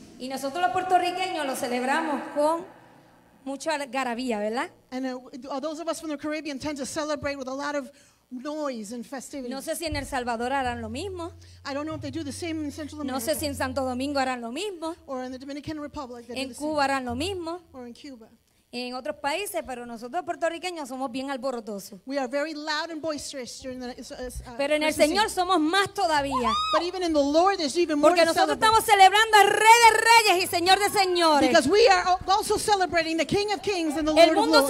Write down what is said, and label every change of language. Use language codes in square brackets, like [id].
[es] Y nosotros los puertorriqueños lo celebramos con mucha garabía, ¿verdad? [en] And those of us from the Caribbean tend to celebrate with a lot of noise and festivities. [es] No sé si en El Salvador harán lo mismo. [en] I don't know if they do the same in Central America. [es] No sé si en Santo Domingo harán lo mismo. [en] Or in the Dominican Republic. [es] En Cuba harán lo mismo. [en] Or in Cuba. [es] En otros países, pero nosotros puertorriqueños somos bien alborotosos. [en] We are very loud and boisterous during the, [es] pero en el Señor somos más todavía. [en] But even in the Lord, there's even [es] porque nosotros estamos celebrando al Rey de Reyes y Señor de Señores. [en] Because we are also celebrating the King of Kings and the Lord of Lords.